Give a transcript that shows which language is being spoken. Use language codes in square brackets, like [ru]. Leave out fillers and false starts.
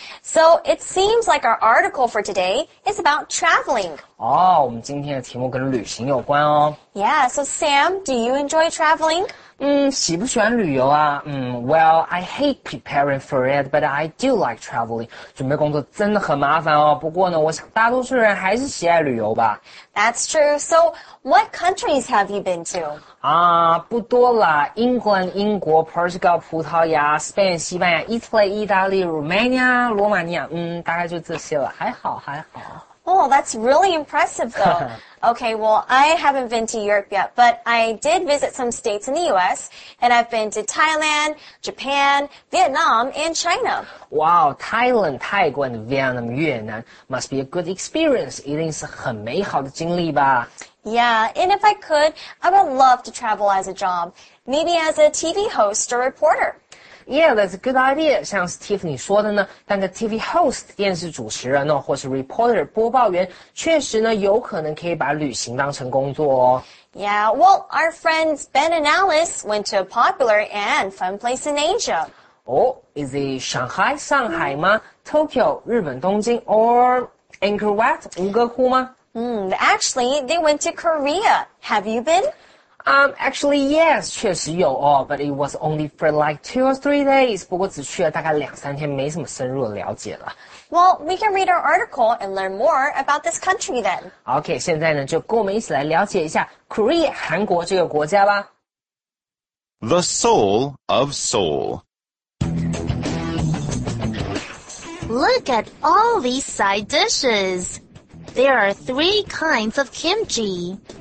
[en] So it seems like our article for today is about traveling. [zh] 哦，我们今天的题目跟旅行有关哦。 [en] Yeah, so Sam, do you enjoy traveling? [zh] 喜不喜欢旅游啊？ [en] Well, I hate preparing for it, but I do like traveling. [zh] 准备工作真的很麻烦哦。不过呢，我想大多数人还是喜爱旅游吧。 [en] That's true. So, what countries have you been to? [zh] 不多啦。英国、英国、Portugal、葡萄牙、Spain、西班牙、Italy、意大利、Romania、罗马尼亚，大概就这些了。还好，还好。 [en] Oh, that's really impressive though. Okay, well, I haven't been to Europe yet, but I did visit some states in the US, and I've been to Thailand, Japan, Vietnam, and China. Wow, Thailand, 泰国 and Vietnam, 越南 must be a good experience. [zh] 一定是很美好的经历吧。 [en] Yeah, and if I could, I would love to travel as a job, maybe as a TV host or reporter. Yeah, that's a good idea. [zh] 像是 Tiffany 说的呢，当个 TV host 电视主持人呢，或是 reporter 播报员，确实呢，有可能可以把旅行当成工作哦。 [en] Yeah, well, our friends Ben and Alice went to a popular and fun place in Asia. Oh, is it Shanghai, 上海吗？Tokyo, 日本东京 ？Or Angkor Wat, 吴哥窟吗？ Actually, they went to Korea. Have you been? Actually, yes, [zh] 确实有哦 [en] but it was only for like 2 or 3 days. [zh] 不过只去了大概两三天，没什么深入的了解了。 [en] Well, we can read our article and learn more about this country then. [zh] Okay, 现在呢，就跟我们一起来了解一下 Korea, 韩国这个国家吧。 [en] The Soul of Seoul. Look at all these side dishes. There are 3 kinds of kimchi.